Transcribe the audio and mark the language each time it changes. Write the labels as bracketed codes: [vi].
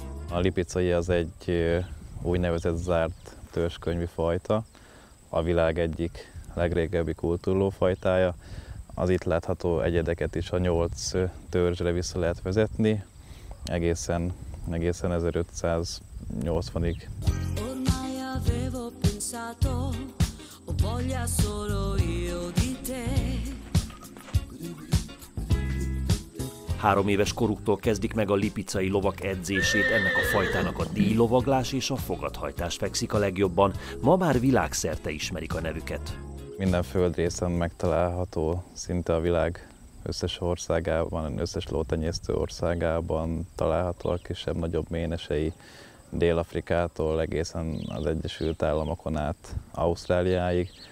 [hu] A lipicai az egy úgynevezett zárt törzskönyvi fajta, a világ egyik legrégebbi kultúrlófajtája. Az itt látható egyedeket is a 8 törzsre vissza lehet vezetni, egészen 1580-ig. [it] Ormai avevo pensato, ho voglia solo io di te. [hu] 3 éves koruktól kezdik meg a lipicai lovak edzését, ennek a fajtának a díjlovaglás és a fogadhajtás fekszik a legjobban. Ma már világszerte ismerik a nevüket. Minden földrészen megtalálható, szinte a világ összes országában, összes lótenyésztő országában található a kisebb-nagyobb ménesei, Dél-Afrikától egészen az Egyesült Államokon át Ausztráliáig.